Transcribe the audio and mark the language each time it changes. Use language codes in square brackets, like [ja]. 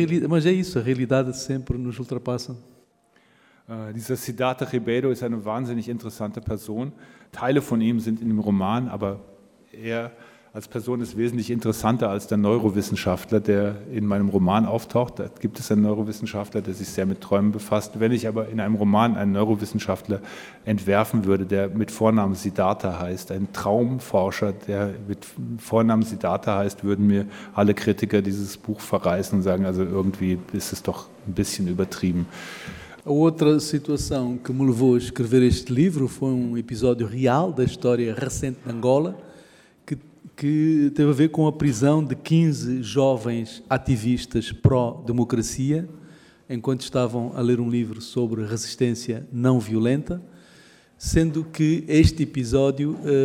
[pt] Mas é isso, a realidade sempre nos ultrapassa. [de] Dieser Siddhartha Ribeiro ist eine wahnsinnig interessante Person. Teile von ihm sind in dem Roman, aber er als Person ist wesentlich interessanter als der Neurowissenschaftler, der in meinem Roman auftaucht. Da gibt es einen Neurowissenschaftler, der sich sehr mit Träumen befasst. Wenn ich aber in einem Roman einen Neurowissenschaftler entwerfen würde, der mit Vornamen Siddhartha heißt, ein Traumforscher, der mit Vornamen Siddhartha heißt, würden mir alle Kritiker dieses Buch verreißen und sagen, also irgendwie ist es doch ein bisschen übertrieben. [pt] A outra situação que me levou a escrever este livro foi um episódio real da história recente de Angola, que teve a ver com a prisão de 15 jovens ativistas pró-democracia, enquanto estavam a ler um livro sobre resistência não violenta, sendo que este episódio